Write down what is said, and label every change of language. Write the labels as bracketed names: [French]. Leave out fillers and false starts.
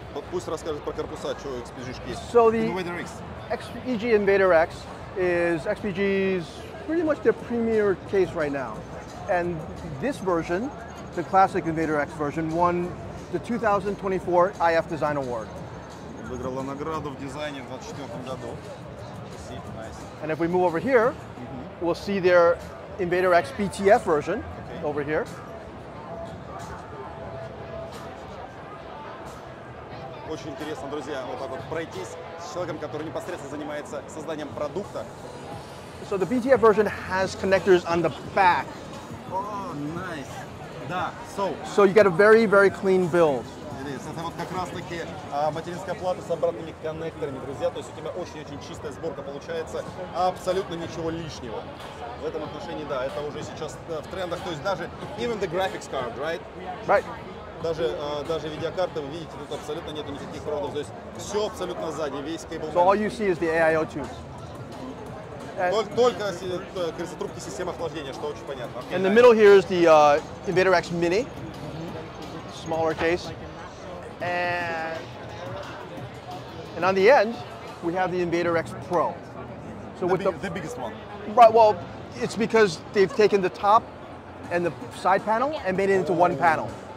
[Russian] Пусть расскажет про корпуса, что XPG-шки есть. [English] So the XPG Invader X is XPG's pretty much their premier case right now. And this version, the classic Invader X version, won the 2024 IF Design Award. [Russian] Выиграла награду в дизайне в 24-м году. [English] And if we move over here, we'll see their Invader X BTF version over here. [Russian] очень интересно, друзья, вот так вот пройтись с человеком, который непосредственно занимается созданием продукта. [English] So the BTF version has connectors on the back. Oh, nice. [Russian] Да, [English] so. So you get a very, very clean build. [Russian] Это вот как раз таки материнская плата с обратными коннекторами, друзья. То есть у тебя очень-очень чистая сборка получается, абсолютно ничего лишнего. В этом отношении, да, это уже сейчас в трендах. То есть даже [English] even the graphics card, right? Right. [Russian] Даже видеокарты, вы видите, тут абсолютно нету никаких родов. То есть все абсолютно сзади, весь кейбл. [English] So all you see is the AIO tubes. [Russian] Только крысотрубки системы охлаждения, что очень понятно. [English] Okay, in the middle here is the Invader X Mini, smaller case. And on the end, we have the Invader X Pro. So the biggest one. Right, well, it's because they've taken the top and the side panel and made it into one panel.